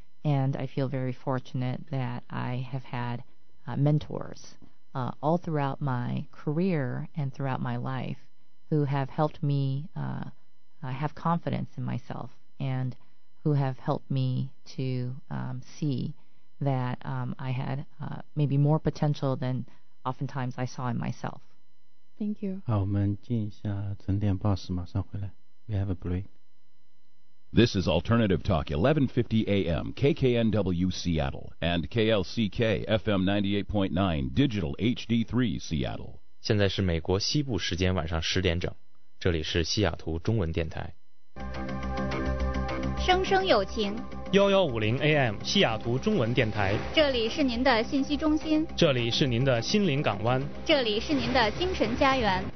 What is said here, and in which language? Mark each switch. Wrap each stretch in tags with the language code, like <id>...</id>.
<en>And I feel very fortunate that I have had mentors all throughout my career and throughout my life who have helped me have confidence in myself and who have helped me to see that I had maybe more potential than oftentimes I saw in myself. Thank you.</en> <zh>好，我们进一下晨电报时，马上回来。</zh> <en>We have a break. This is Alternative Talk, 1150 AM, KKNW Seattle, and KLCK, FM 98.9, Digital HD3 Seattle.</en> <zh>现在是美国西部时间晚上十点整，这里是西雅图中文电台。声声有情， 1150 AM 西雅图中文电台，这里是您的信息中心，这里是您的心灵港湾，这里是您的精神家园，</zh>